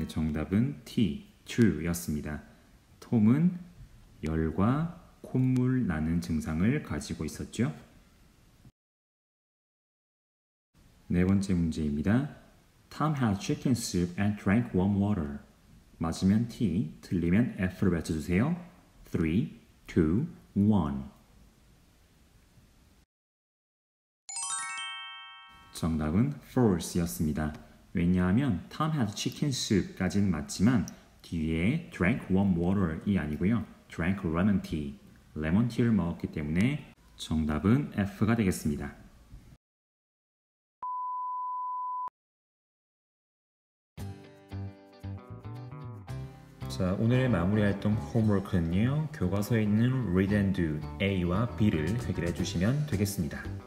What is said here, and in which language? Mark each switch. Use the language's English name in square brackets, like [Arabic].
[Korean] 네, 정답은 T, true였습니다. 톰은 열과 콧물 나는 증상을 가지고 있었죠. 네 번째 문제입니다. [English] Tom had chicken soup and drank warm water. [Korean] 맞으면 T, 틀리면 F를 외쳐주세요. 3, 2, 1. 정답은 false였습니다. 왜냐하면 [English] Tom had chicken soup까지는 [Korean] 맞지만 뒤에 [English] drank warm water이 [Korean] 아니고요. [English] drank lemon tea, [Korean] 레몬티를 먹었기 때문에 정답은 F가 되겠습니다. 자, 오늘의 마무리 활동 홈워크는요, 교과서에 있는 read and do A와 B를 해결해 주시면 되겠습니다.